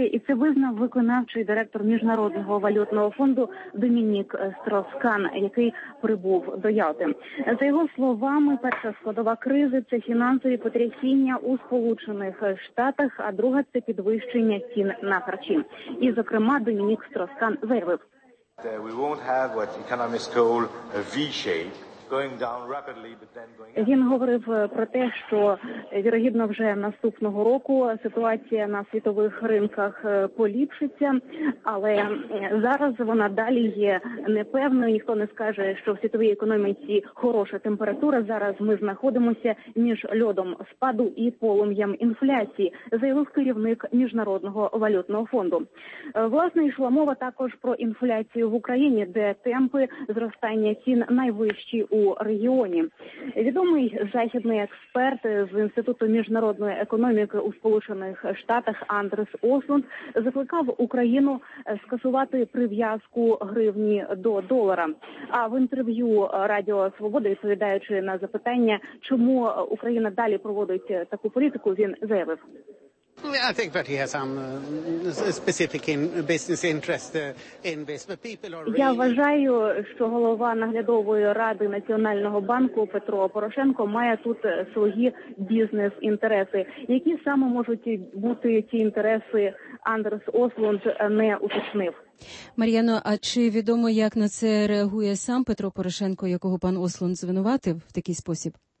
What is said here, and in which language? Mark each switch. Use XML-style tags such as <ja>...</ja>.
<uk>І це визнав виконавчий директор Міжнародного валютного фонду Домінік Строскан, який прибув до Ялти. За його словами, перша складова кризи – це фінансові потрясіння у Сполучених Штатах, а друга – це підвищення цін на харчі. І, зокрема, Домінік Строскан заявив.</uk> <en>We won't have what economists call a V-shape.</en> <uk>Він говорив про те, що, вірогідно, вже наступного року ситуація на світових ринках поліпшиться, але зараз вона далі є непевною. Ніхто не скаже, що в світовій економіці хороша температура. Зараз ми знаходимося між льодом спаду і полум'ям інфляції, заявив керівник Міжнародного валютного фонду. Власне, йшла мова також про інфляцію в Україні, де темпи зростання цін найвищі у регіоні. Відомий західний експерт з Інституту міжнародної економіки у Сполучених Штатах Андрес Ослунд закликав Україну скасувати прив'язку гривні до долара. А в інтерв'ю Радіо Свобода, відповідаючи на запитання, чому Україна далі проводить таку політику, він заявив.</uk> <en>I think that he has some specific in business interest in this. But people are really...</en> <uk>Я вважаю, що голова наглядової ради Національного банку Петро Порошенко має тут свої бізнес-інтереси. Які саме можуть бути ці інтереси, Андрес Ослунд не уточнив. Мар'яно, а чи відомо, як на це реагує сам Петро Порошенко, якого пан Ослунд звинуватив в такий спосіб?</uk>